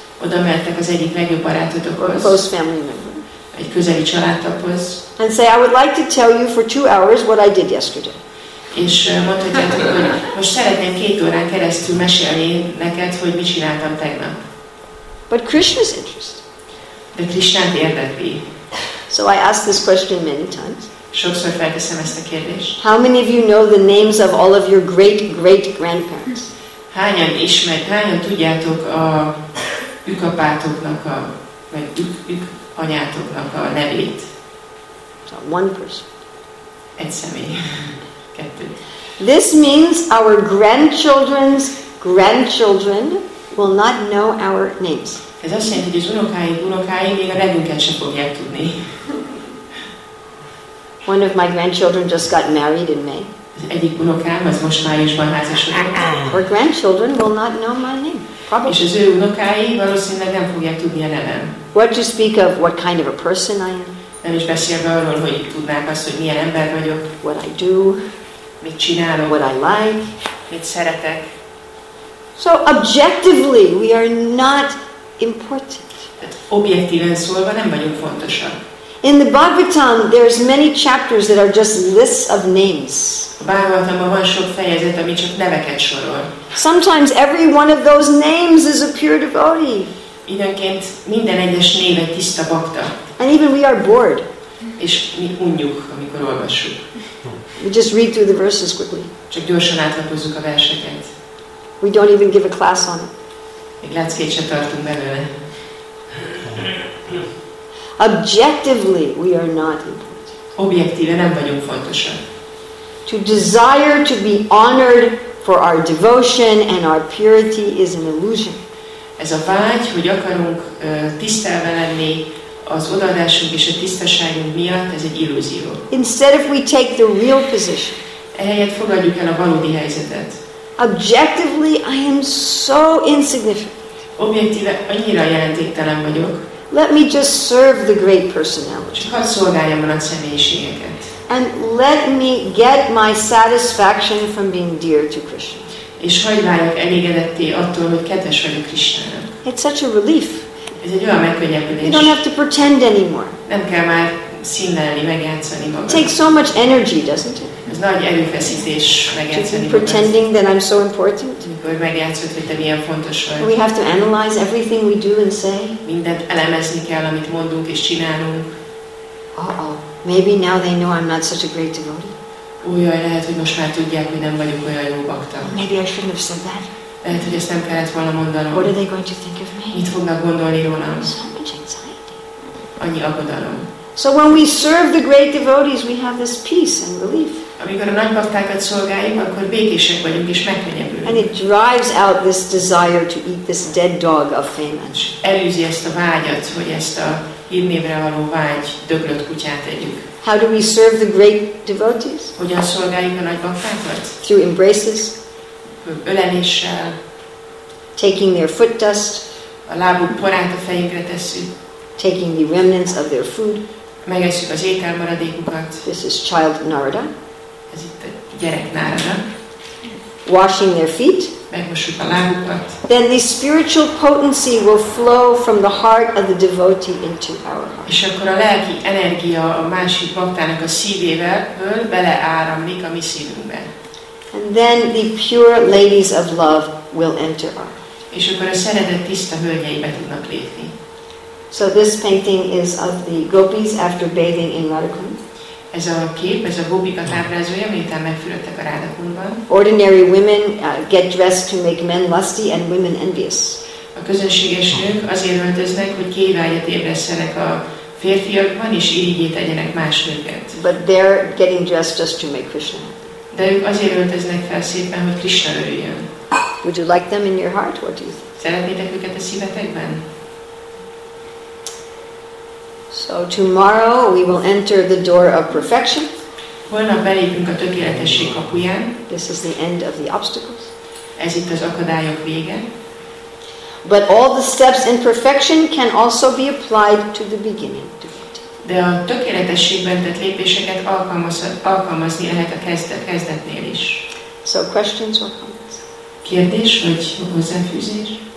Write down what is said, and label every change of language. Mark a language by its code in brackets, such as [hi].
[hu] Oda mehetek az egyik legjobb barátotokhoz. [en] A close family member. [hu] Egy közeli családtaghoz. [en] And say, I would like to tell you for 2 hours what I did yesterday. [hu] És mondhatjátok, hogy most szeretném 2 órán keresztül mesélni neked, hogy mit csináltam tegnap. [en] But Krishna's interest. [hu] De Krishna-t érdekli. [en] So I ask this question many times. [hu] Sokszor felteszem ezt a kérdést. [en] How many of you know the names of all of your great great grandparents? [hu] Hányan ismert, hányan tudjátok a ükapátoknak a vagy ük anyátoknak a nevét? [en] So one person. [hu] Egy személy. Kettő. [en] This means our grandchildren's grandchildren will not know our names. [hu] Ez azt jelenti, hogy az unokái még a nevünket sem fogják tudni. [en] One of my grandchildren just got married in May. [hu] Egyik unokám az most májusban házasodott. [en] Our grandchildren will not know my name. Probably. [hu] És az ő unokái valószínűleg nem fogják tudni a nevem. [en] What to speak of what kind of a person I am. [hu] Nem is beszélve arról, hogy tudnák azt, hogy milyen ember vagyok. [en] What I do. [hu] Mit csinálok. [en] What I like. [hu] Mit szeretek. [en] So objectively, we are not important. [hu] Objektíven szólva nem vagyunk fontosak. [en] In the Bhagavatam, there's many chapters that are just lists of names. [hu] Bhagavatamban van sok fejezet, ami csak neveket sorol. [en] Sometimes every one of those names is a pure devotee. [hu] Időnként minden egyes név egy tiszta bhakta. [en] And even we are bored. [hu] És mi unjuk, amikor olvassuk. [en] We just read through the verses quickly. [hu] Csak gyorsan átlapozzuk a verseket. [en] We don't even give a class on it. [hu] Még leckét sem tartunk belőle. [en] Objectively, we are not important. [hu] Objektíven nem vagyunk fontosak. [en] To desire to be honored for our devotion and our purity is an illusion. [hu] Ez a vágy, hogy akarunk tisztelve lenni az odaadásunk és a tisztaságunk miatt, ez egy illúzió. [en] Instead, if we take the real position, [hu] ehelyett fogadjuk el a valódi helyzetet. [en] Objectively, I am so insignificant. [hu] Objektíve annyira jelentéktelen vagyok. [en] Let me just serve the great personality. [hu] Csak hadd szolgáljam a nagy személyiségeket. [en] And let me get my satisfaction from being dear to Krishna. [hu] És hadd váljak elégedetté attól, hogy kedves vagyok Krishnának. [en] It's such a relief. [hu] Ez egy olyan megkönnyebbülés. [en] You don't have to pretend anymore. [hu] Nem kell már színlelni, megjátszani magam. [en] It takes so much energy, doesn't it? [hu] Ez nagy erőfeszítés megjátszani magam. [en] Pretending that I'm so important. [hu] Mikor megjátszod, hogy te milyen fontos vagy. [en] We have to analyze everything we do and say. [hu] Mindent elemezni kell, amit mondunk és csinálunk. [en] Maybe now they know I'm not such a great devotee. [hu] Ujjaj, lehet, hogy most már tudják, hogy nem vagyok olyan jó bakta. [en] Maybe I shouldn't have said that. [hu] Lehet, hogy ezt nem kellett volna mondanom. [en] What are they going to think of me? [hu] Mit fognak gondolni rólam? [en] So much anxiety. [hu] Annyi aggodalom. [en] So when we serve the great devotees, we have this peace and relief. [hu] Amikor a nagy baktákat szolgáljuk, akkor békések vagyunk és megkönnyebbülünk. [en] And it drives out this desire to eat this dead dog of fame. [hu] Elűzi ezt a vágyat, hogy ezt a hírnévre való vágy döglött kutyát együk. [en] How do we serve the great devotees? [hu] Hogyan szolgáljuk a nagy baktákat? [en] Through embraces. [hu] Öleléssel. [en] Taking their foot dust. [hu] A lábuk porát a fejünkre tesszük. [en] Taking the remnants of their food. [hu] Megesszük az étel maradékukat. [en] This is child Narada. [hu] Ez itt a gyerek Narada. [en] Washing their feet. [hu] Megmosjuk a lábukat. [en] Then the spiritual potency will flow from the heart of the devotee into our heart. [hu] És akkor a lelki energia a másik baktának a szívéből beleáramlik a mi szívünkbe. [en] And then the pure ladies of love will enter our heart. [hu] És akkor a szeretet tiszta hölgyeibe tudnak lépni. [en] So this painting is of the gopis after bathing in Radhakund. [hu] Ez a kép, ez a gopikat ábrázolja, miután megfürödtek a Radhakundban. [en] Ordinary women get dressed to make men lusty and women envious. [hu] A közönséges nők azért öltöznek, hogy kívánját ébresszenek a férfiakban, és irigyét tegyenek más nőket. [en] But they're getting dressed just to make Krishna. [hu] De ők azért öltöznek fel szépen, hogy Krishna örüljön. [en] Would you like them in your heart? What do you think? [hu] Szeretnétek őket a szívetekben? [en] So tomorrow we will enter the door of perfection. [hu] Holnap belépünk a tökéletesség kapuján. [en] This is the end of the obstacles. [hu] Ez itt az akadályok vége. [en] But all the steps in perfection can also be applied to the beginning. [hu] De a tökéletességben tett lépéseket alkalmazni lehet a kezdetnél is. [en] So questions or comments? [hu] Kérdés vagy hozzáfűzés?